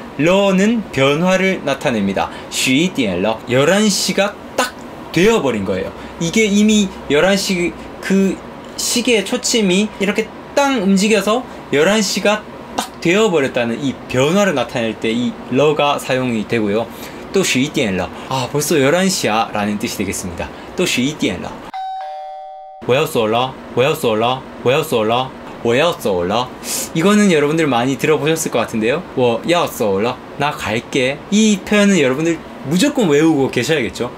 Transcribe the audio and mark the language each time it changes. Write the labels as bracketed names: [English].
[Korean] 러는 변화를 나타냅니다. [Chinese] 十一点了 [Korean] 열한시가 딱 되어버린 거예요. 이게 이미 열한시 그 시계의 초침이 이렇게 땅 움직여서 11시가 딱 되어버렸다는 이 변화를 나타낼 때 이 러가 사용이 되고요. 또 [Chinese] 11点了 [Korean] 아 벌써 11시야 라는 뜻이 되겠습니다. [Chinese] 또 11点了我要走了我要走了我要走了我要走了 [Korean] 이거는 여러분들 많이 들어보셨을 것 같은데요. [Chinese] 我要走了 [Korean] 나 갈게. 이 표현은 여러분들 무조건 외우고 계셔야겠죠.